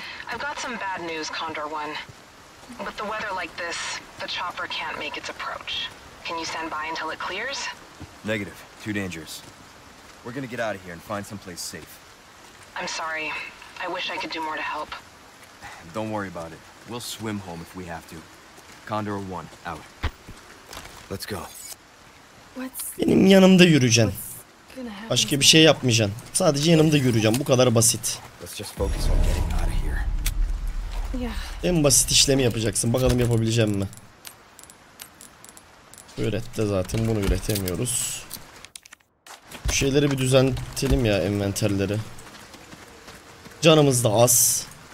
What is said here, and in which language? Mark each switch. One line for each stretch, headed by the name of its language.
English: I've got some bad news, Condor One. With the weather like this, the chopper can't make its approach. Can you stand by until it clears? Negative. Too dangerous. We're gonna get out of here and find someplace safe. I'm sorry. I wish I could do more to help. Don't worry about it. We'll swim home if we have to. Condor One, out. Let's go.
Turkish: Benim yanımda yürüyeceksin. Başka bir şey yapmayacaksın. Sadece yanımda yürüyeceğim. Bu kadar basit.
English: Let's just focus on getting out of here. Yeah.
Turkish: En basit işlemi yapacaksın. Bakalım yapabileceğim mi? Ürette zaten bunu üretemiyoruz. Bu şeyleri bir düzeltelim ya, envanterleri. Canımız da az.